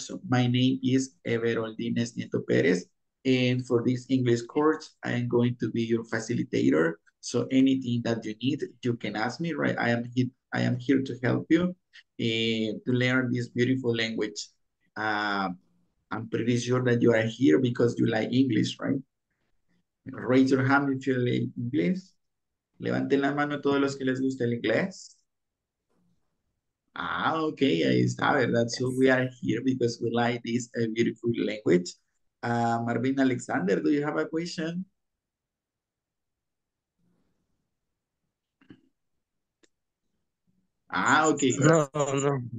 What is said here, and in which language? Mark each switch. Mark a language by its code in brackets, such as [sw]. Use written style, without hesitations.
[en] So my name is Everaldines Nieto Perez. And for this English course, I am going to be your facilitator. So anything that you need, you can ask me, right? I am here to help you to learn this beautiful language. I'm pretty sure that you are here because you like English, right? Raise your hand if you like English. [es] Levanten la mano todos los que les gusta el inglés. Okay, ahí está, ¿verdad? [en] So we are here because we like this beautiful language. Marvin Alexander, do you have a question? Okay, [es] No, perfecto.